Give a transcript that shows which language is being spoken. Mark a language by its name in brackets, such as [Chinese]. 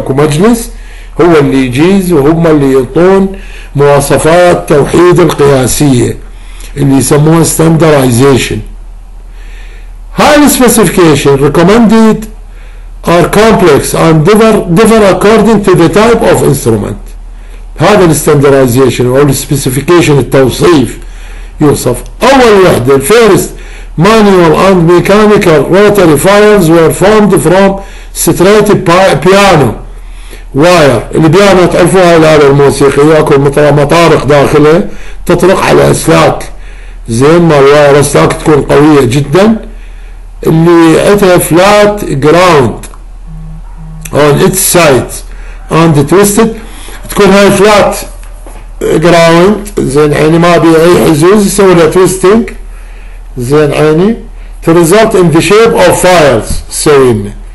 [Arabic] أكو مجلس هو اللي يجيز وهم اللي يعطون مواصفات توحيد القياسية اللي يسموها standardization. [English] هاي specification recommended are complex and differ according to the type of instrument. [Arabic] هذا standardization أو specification التوصيف يوصف. أول واحدة [English] first manual and mechanical rotary files were formed from serrated piano wire. [Arabic] البيانو تعرفوها الآلة الموسيقية اكو مطارق داخله تطرق على اسلاك زين، ما الواير اسلاك تكون قوية جدا اللي عندها [English] flat ground on its sides and twisted، [Arabic] تكون هاي flat ground زين عيني ما بيها اي حزوز يسوي لها twisting زين عيني [English] to result in the shape of files [Arabic] سوين.